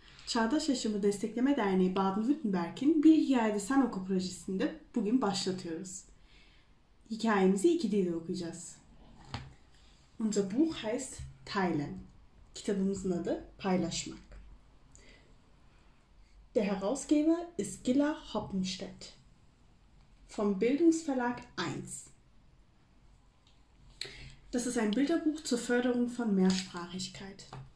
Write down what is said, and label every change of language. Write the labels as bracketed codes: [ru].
[tr] Çağdaş Yaşamı Destekleme Derneği Baden-Württemberg'in Bir Hikayede Sen Oku projesinde bugün başlatıyoruz. Hikayemizi iki dilde okuyacağız. [de] Unser Buch heißt Teilen. [tr] Kitabımızın adı Paylaşmak. [de] Der Herausgeber ist Gilla Hoppenstedt vom Bildungsverlag 1. Das ist ein Bilderbuch zur Förderung von Mehrsprachigkeit.